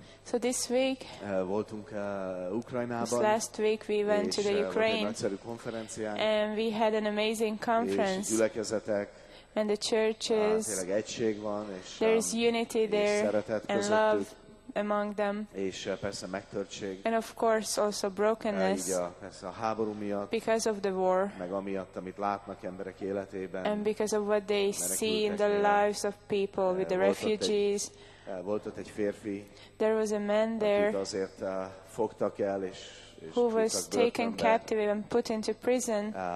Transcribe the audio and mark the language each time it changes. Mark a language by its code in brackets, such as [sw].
[en] so this week, [hu] voltunk Ukrajnában. [en] This last week we went to the Ukraine. [hu] Volt egy nagyszerű konferencián. [en] And we had an amazing conference. [hu] És gyülekezetek. [en] And the churches. [hu] Tényleg egység van, és [en] there is unity there and love among them. [hu] És persze megtörtség. [en] And of course also brokenness. [hu] Persze a háború miatt. [en] Because of the war. [hu] Meg amiatt, amit látnak emberek életében. [en] And because of what they see in the lives of people with the refugees. [hu] Volt ott egy férfi. [en] There was a man there. [hu] Akit azért fogtak el és [en] who was taken captive and put into prison?